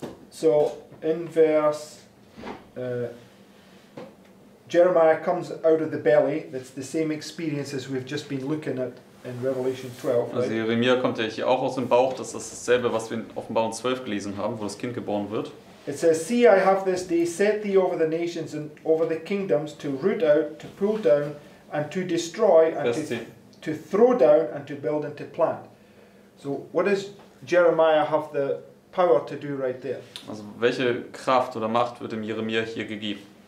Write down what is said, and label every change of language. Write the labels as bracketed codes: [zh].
[en] So in verse Jeremiah comes out of the belly. That's the same experience as we've just been looking at in Revelation 12. [de] Also Jeremia kommt ja hier auch aus dem Bauch. Das ist dasselbe, was wir in Offenbarung 12 gelesen haben, wo das Kind geboren wird. [en] It says, "See, I have this day set thee over the nations and over the kingdoms to root out, to pull down, and to destroy, and to throw down, and to build and to plant." So what does Jeremiah have the power to do right there? [de] Also welche Kraft oder Macht wird dem Jeremia hier gegeben?